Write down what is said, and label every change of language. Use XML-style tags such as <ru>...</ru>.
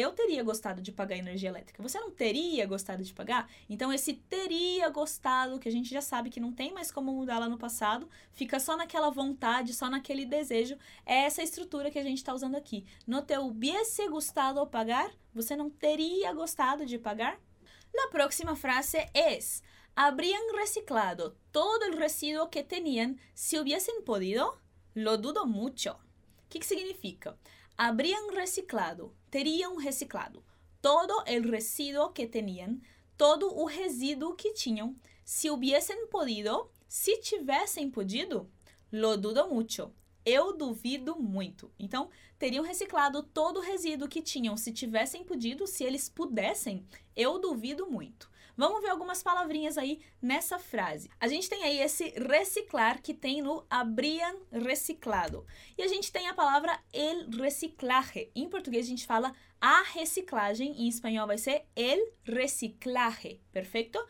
<pt>Eu teria gostado de pagar energia elétrica. Você não teria gostado de pagar? Então, esse teria gostado, que a gente já sabe que não tem mais como mudar lá no passado, fica só naquela vontade, só naquele desejo, é essa estrutura que a gente está usando aqui.</pt> <es>No te hubiese gustado pagar,</es> <pt>você não teria gostado de pagar?</pt> <es>La próxima frase es, habrían reciclado todo el residuo que tenían si hubiesen podido? Lo dudo mucho.</es> <pt>O que, que significa?</pt> <es>Habrían reciclado,</es> <pt>teriam reciclado</pt> <es>todo el residuo que tenían,</es> <pt>todo o resíduo que tinham, se</pt> <es>hubiesen podido,</es> <pt>se tivessem podido,</pt> <es>lo dudo mucho.</es> <pt>Eu duvido muito. Então, teriam reciclado todo o resíduo que tinham, se tivessem podido, se eles pudessem, eu duvido muito. Vamos ver algumas palavrinhas aí nessa frase. A gente tem aí esse reciclar que tem no</pt> <es>habrían reciclado.</es> <pt>E a gente tem a palavra el reciclaje. Em português, a gente fala a reciclagem, em espanhol vai ser el reciclaje, perfeito?</pt>